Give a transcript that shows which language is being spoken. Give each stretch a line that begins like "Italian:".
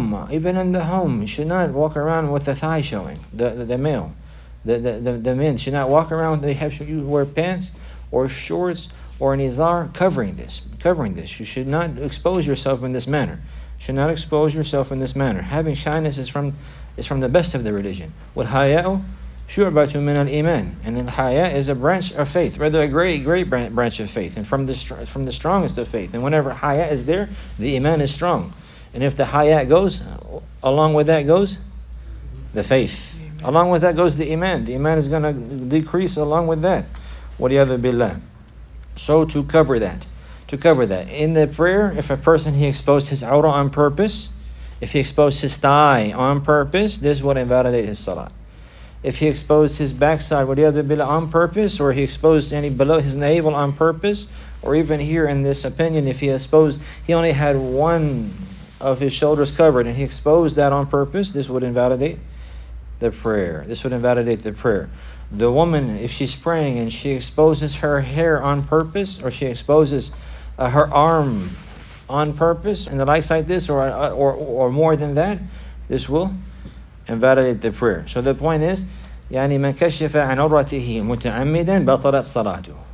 English: Even in the home, you should not walk around with the thigh showing. The male. The men should not walk around. They have you wear pants or shorts or an izar covering this. You should not expose yourself in this manner. Should not expose yourself in this manner. Having shyness is from the best of the religion.
Arabic: والحياه شعبه من الإيمان.
English: And الحياه is a branch of faith, rather a great branch of faith, and from the strongest of faith. And whenever hayah is there, the iman is strong. And if the hayah goes, along with that goes the faith. Along with that goes the iman. The iman is going to decrease along with that.
Arabic: وَلِيَذُ بِاللَّهِ.
English: So to cover that. In the prayer, if a person, he exposed his awrah on purpose, if he exposed his thigh on purpose, this would invalidate his salah. If he exposed his backside,
Arabic: وَلِيَذُ بِاللَّهِ,
English: on purpose, or he exposed any below his navel on purpose, or even here in this opinion, if he exposed, he only had one of his shoulders covered, and he exposed that on purpose, this would invalidate the prayer. This would invalidate the prayer. The woman, if she's praying and she exposes her hair on purpose, or she exposes her arm on purpose, and the likes like this, or more than that, this will invalidate the prayer. So the point is,
Arabic: يعني من كشف عن عورته متعمدا بطلت صلاته.